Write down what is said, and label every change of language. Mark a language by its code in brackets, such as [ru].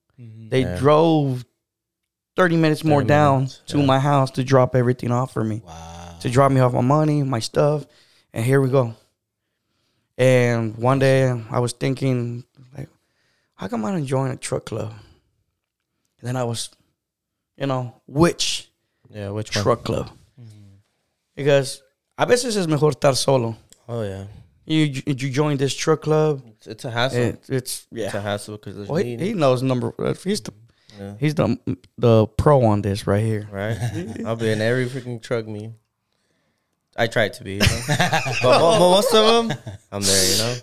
[en] They drove 30 minutes to my house to drop everything off for me. Wow. To drop me off my money, my stuff, and here we go. And one day I was thinking, like, how come I didn't join a truck club? And then I was, you know, which truck one? Club? Because [es] a veces es mejor estar solo. [en] Oh, yeah. You join this truck club. It's a hassle. It's a hassle because there's He knows number. He's the pro on this right here. Right. I'll be in every freaking truck meet. I try to be. You know? But most of them, I'm there, you know?